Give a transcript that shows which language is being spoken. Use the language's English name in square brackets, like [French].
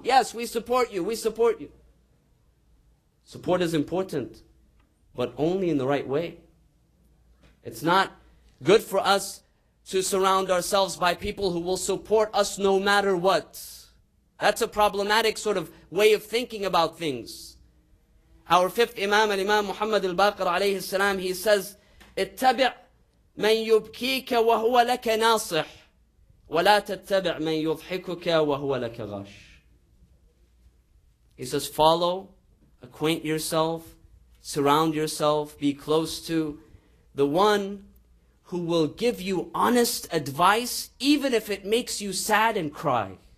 [English] Yes, we support you, we support you. Support is important, but only in the right way. It's not good for us to surround ourselves by people who will support us no matter what. That's a problematic sort of way of thinking about things. Our fifth Imam, Imam Muhammad al-Baqir alayhi salam, he says, [Arabic] اتَّبِعْ مَنْ يُبْكِيكَ وَهُوَ لَكَ نَاصِحْ وَلَا تَتَّبِعْ مَنْ يُضْحِكُكَ وَهُوَ لَكَ غَاشْ. [English] He says, follow, acquaint yourself, surround yourself, be close to the one who will give you honest advice, even if it makes you sad and cry.